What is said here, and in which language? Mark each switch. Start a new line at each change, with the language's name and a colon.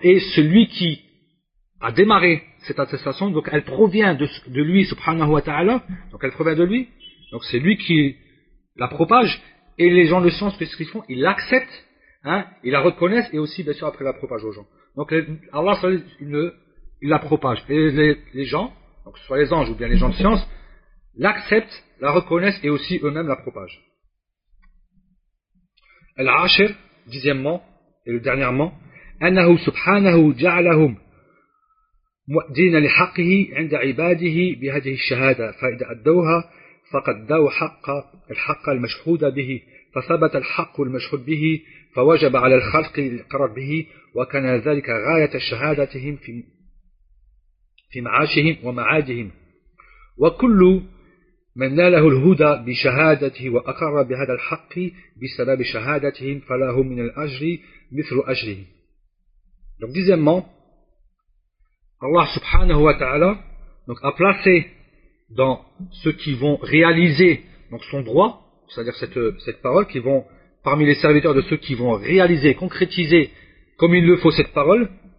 French: Et celui qui a démarré cette attestation, donc elle provient de lui, subhanahu wa ta'ala, donc elle provient de lui, donc c'est lui qui la propage, et les gens le sens que ce qu'ils font, ils l'acceptent, hein, ils la reconnaissent, et aussi, bien sûr, après, la propage aux gens. Donc Allah, il la propage, et les gens, donc que ce soit les anges ou bien les gens de science, l'acceptent, la reconnaissent, et aussi eux-mêmes la propagent.
Arabic: Al-Ashir,
French: dixièmement, et le dernièrement,
Arabic: Anahu subhanahu ja'alahum مؤدين لحقه عند عباده بهذه الشهادة فإذا أدوها فقد دوا الحق المشهود به فثبت الحق المشهود به فوجب على الخلق الإقرار به وكان ذلك غاية شهادتهم في معاشهم ومعادهم وكل من ناله الهدى بشهادته وأقر بهذا الحق بسبب شهادتهم فله من الأجر مثل أجره.
French: Donc deuxièmement, Allah subhanahu wa ta'ala donc a placé dans ceux qui vont réaliser donc son droit, c'est-à-dire cette parole, qui vont parmi les serviteurs de ceux qui vont réaliser, concrétiser comme il le faut cette parole.